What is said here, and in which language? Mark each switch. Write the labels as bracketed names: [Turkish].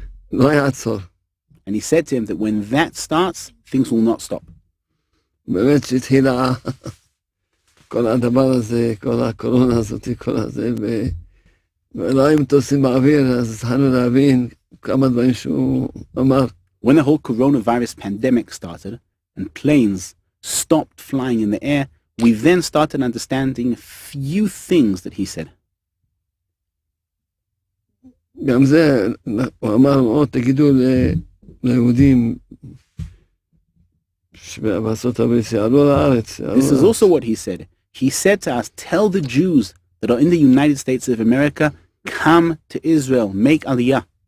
[English] And he said to him that when that starts, things will not stop. [Hebrew] באמת שהתחילה כל הדבר הזה, כל הקורונה הזאת, כל הזה, ולא היו מטוסים באוויר, אז התחלנו להבין כמה דברים שהוא אמר. [English] When the whole coronavirus pandemic started, and planes stopped flying in the air, we then started understanding a few things that he said. [Hebrew] גם זה, הוא אמר, או תגידו ליהודים שבעשות הברית, שיעלו לארץ. [English] This is also what he said. He said to us, tell the Jews that are in the United States of America, come to Israel, make Aliyah.